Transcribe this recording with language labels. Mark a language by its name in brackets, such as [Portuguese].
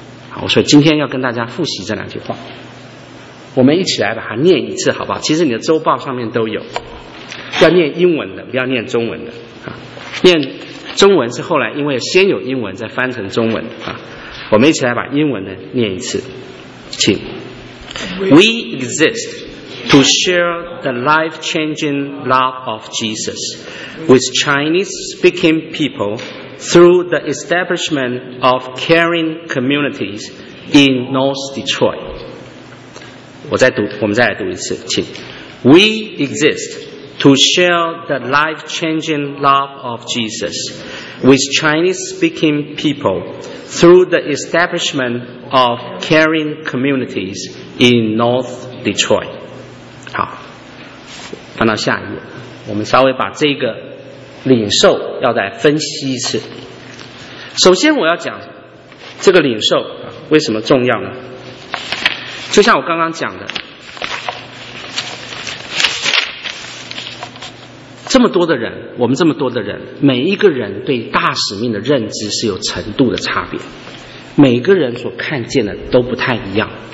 [Chinese] 好，我说今天要跟大家复习这两句话，我们一起来把它念一次好不好？其实你的周报上面都有，要念英文的，不要念中文的。念中文是后来因为先有英文再翻成中文啊。我们一起来把英文的念一次，请。 [English] We exist to share the life-changing love of Jesus with Chinese-speaking people through the establishment of caring communities in North Detroit. [Chinese] 我再读，我们再来读一次，请。 [English] We exist to share the life-changing love of Jesus with Chinese-speaking people through the establishment of caring communities in North Detroit. [Chinese] 好，翻到下一页，我们稍微把这个领受要再分析一次。首先我要讲这个领受为什么重要呢？就像我刚刚讲的，这么多的人，我们这么多的人，每一个人对大使命的认知是有程度的差别，每个人所看见的都不太一样。